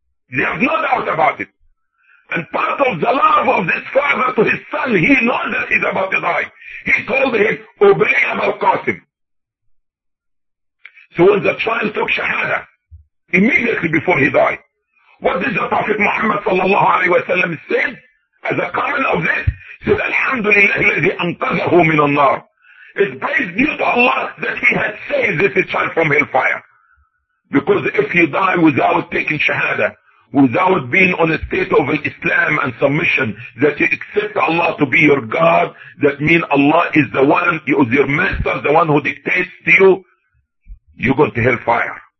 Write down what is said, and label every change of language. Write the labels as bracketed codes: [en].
[en] They have no doubt about it. And part of the love of this father to his son, he knows that he's about to die. He told him, obey Abu al-Qasim. So when the child took shahada, immediately before he died, what did the Prophet Muhammad sallallahu alaihi wasallam say as a comment of this? He said, [ar] الحمد لله الذي أنقذه من النار. [en] It's praise due to Allah that he has saved this child from hellfire. Because if you die without taking shahada, without being on a state of Islam and submission, that you accept Allah to be your God, that means Allah is the one, he is your master, the one who dictates to you, you go to hellfire.